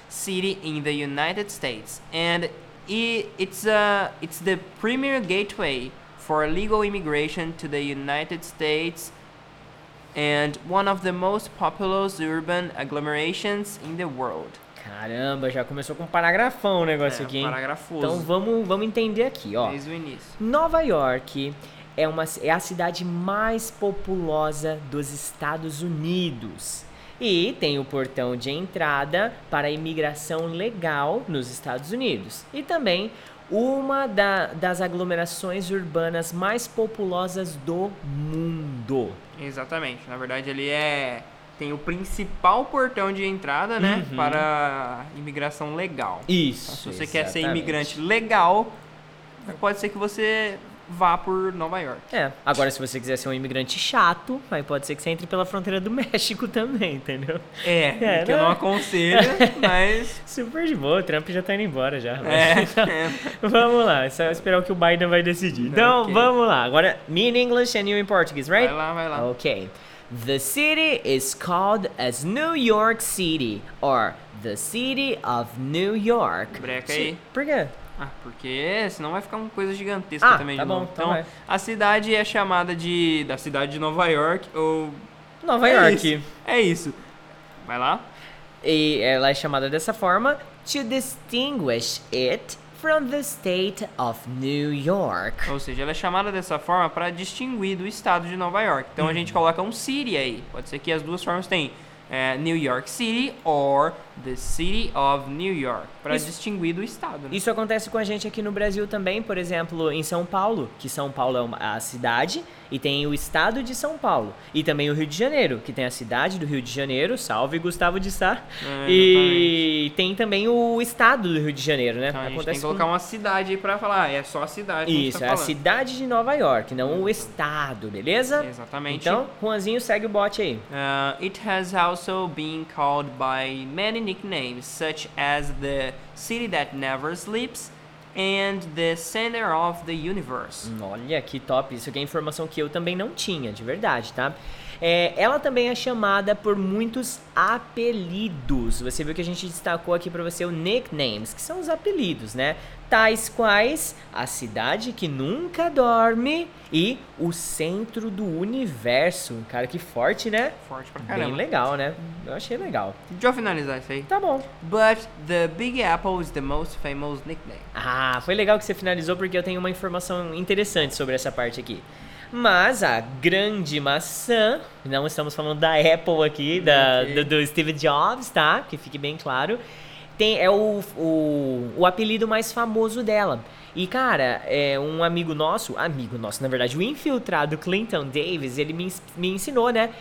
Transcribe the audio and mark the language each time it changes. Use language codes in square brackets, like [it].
[en] city in the United States, and it's the premier gateway for legal immigration to the United States, and one of the most populous urban agglomerations in the world. [pt] Caramba, já começou com um paragrafão o negócio aqui, hein? Paragrafoso. Então vamos entender aqui, ó. Desde o início. Nova York é a cidade mais populosa dos Estados Unidos. E tem o portão de entrada para a imigração legal nos Estados Unidos. E também uma das aglomerações urbanas mais populosas do mundo. Exatamente. Na verdade, ele tem o principal portão de entrada, né, para imigração legal. Isso, então, se você quer ser imigrante legal, pode ser que você vá por Nova York. É, agora se você quiser ser um imigrante chato, aí pode ser que você entre pela fronteira do México também, entendeu? É que eu não aconselho, mas... Super de boa, o Trump já tá indo embora já. É. Vamos lá, só esperar o que o Biden vai decidir. Então, okay. [en] Vamos lá, agora me in English and you in Portuguese, right? [pt] Vai lá. Ok. [en] The city is called as New York City, or the city of New York. [pt] Breca aí. Por quê? Porque senão vai ficar uma coisa gigantesca também de novo. Bom, então vai. A cidade é chamada da cidade de Nova York ou... Nova York. É isso. Vai lá. [en] E ela é chamada dessa forma, to distinguish it from the state of New York. [pt] Ou seja, ela é chamada dessa forma para distinguir do estado de Nova York. Então a gente coloca um city aí. Pode ser que as duas formas tenham. New York City or the City of New York, para distinguir do estado. Né? Isso acontece com a gente aqui no Brasil também, por exemplo, em São Paulo, que São Paulo é a cidade e tem o estado de São Paulo. E também o Rio de Janeiro, que tem a cidade do Rio de Janeiro, salve Gustavo de Sá. Exatamente. E tem também o estado do Rio de Janeiro, né? Então, acontece a gente tem que colocar uma cidade aí para falar, é só a cidade. Isso, tá é a cidade de Nova York, não o estado, beleza? Exatamente. Então, Juanzinho, segue o bote aí. [en] It has also been called by many nicknames, such as the City That Never Sleeps and the Center of the Universe. [pt] Olha que top, isso aqui é informação que eu também não tinha, de verdade, tá? Ela também é chamada por muitos apelidos. Você viu que a gente destacou aqui pra você o nicknames, que são os apelidos, né? Tais quais a cidade que nunca dorme e o centro do universo. Cara, que forte, né? Forte pra caramba. Bem legal, né? Eu achei legal. Deixa eu finalizar isso aí. Tá bom. [en] But the Big Apple is the most famous nickname. [pt] Ah, foi legal que você finalizou porque eu tenho uma informação interessante sobre essa parte aqui. Mas a grande maçã, não estamos falando da Apple aqui, do Steve Jobs, tá? Que fique bem claro. É o apelido mais famoso dela. E, cara, um amigo nosso, na verdade, o infiltrado Clinton Davis, ele me ensinou, né?